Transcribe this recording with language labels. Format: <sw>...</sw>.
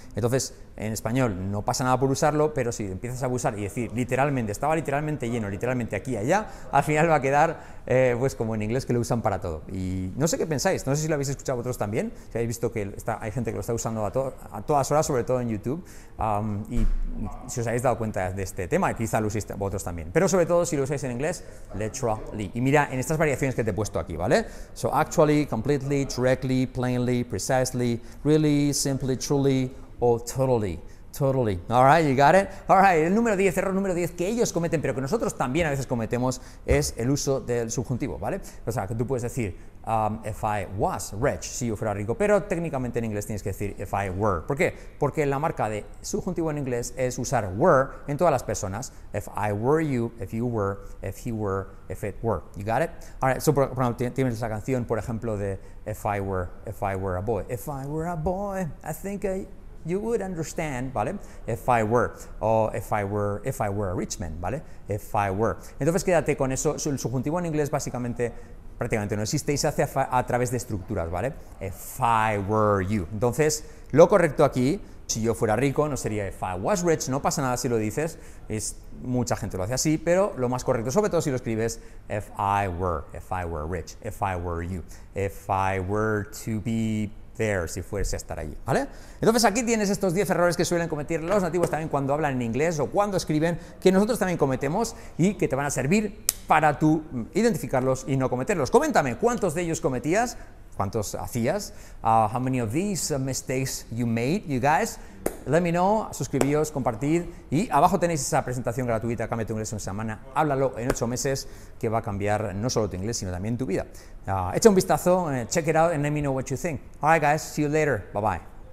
<es>Entonces, en español no pasa nada por usarlo, pero si empiezas a abusar y decir literalmente, estaba literalmente lleno, literalmente aquí y allá, al final va a quedar pues como en inglés que lo usan para todo. Y no sé qué pensáis, no sé si lo habéis escuchado vosotros también, si habéis visto que hay gente que lo está usando a todas horas, sobre todo en YouTube, y si os habéis dado cuenta de este tema, quizá lo uséis vosotros también. Pero sobre todo si lo usáis en inglés,</es> <en>literally.</en> <es>Y mira en estas variaciones que te he puesto aquí, ¿vale?</es> <en>So, actually, completely, directly, plainly, precisely, really, simply, truly, o totally, totally. Alright, you got it?</en> <es>Alright, el número 10, error número 10 que ellos cometen, pero que nosotros también a veces cometemos, es el uso del subjuntivo, ¿vale? O sea, que tú puedes decir,</es> <en>if I was rich,</en> <es>si yo fuera rico, pero técnicamente en inglés tienes que decir</es> <en>if I were.</en> <es>¿Por qué? Porque la marca de subjuntivo en inglés es usar were en todas las personas.</es> <en>If I were you, if you were, if he were, if it were. You got it? Alright, so, por ejemplo, tienes esa canción, por ejemplo, de if I were a boy. If I were a boy, I think I... you would understand, ¿vale? If I were, o if I were a rich man, ¿vale? If I were.</en> <es>Entonces quédate con eso, el subjuntivo en inglés básicamente, prácticamente no existe y se hace a través de estructuras, ¿vale?</es> <en>If I were you.</en> <es>Entonces, lo correcto aquí, si yo fuera rico, no sería</es> <en>if I was rich,</en> <es>no pasa nada si lo dices, es, mucha gente lo hace así, pero lo más correcto, sobre todo si lo escribes,</es> <en>if I were rich, if I were you, if I were to be there,</en> <es>si fuese a estar allí, ¿vale? Entonces aquí tienes estos 10 errores que suelen cometer los nativos también cuando hablan en inglés o cuando escriben, que nosotros también cometemos y que te van a servir para tú identificarlos y no cometerlos. Coméntame, ¿cuántos de ellos cometías? ¿Cuántos hacías?</es> <en>How many of these mistakes you made, you guys? Let me know,</en> <es>suscribíos, compartid y abajo tenéis esa presentación gratuita, Cambia tu inglés en una semana, háblalo en 8 meses que va a cambiar no solo tu inglés sino también tu vida. Echa un vistazo,</es> <en>check it out and let me know what you think. Alright guys, see you later, bye bye.</en>